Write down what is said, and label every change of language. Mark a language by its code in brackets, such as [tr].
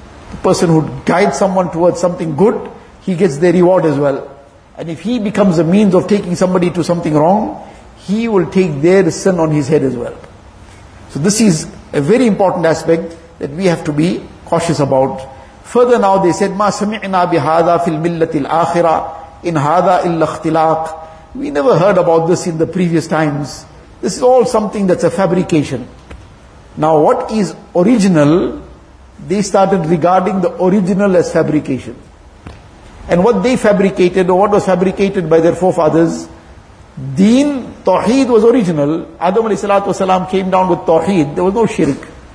[en] The person who guides someone towards something good, he gets their reward as well. And if he becomes a means of taking somebody to something wrong, he will take their sin on his head as well. So this is a very important aspect that we have to be cautious about. Further now they said, [ar] مَا سَمِعْنَا بِهَذَا فِي الْمِلَّةِ الْآخِرَةِ إِنْ هَذَا إِلَّا اخْتِلَاقٍ. [en] We never heard about this in the previous times. This is all something that's a fabrication. Now what is original, they started regarding the original as fabrication. And what they fabricated, or what was fabricated by their forefathers, deen, tawheed was original. Adam alayhi salatu wasalam came down with tawheed. There was no shirk.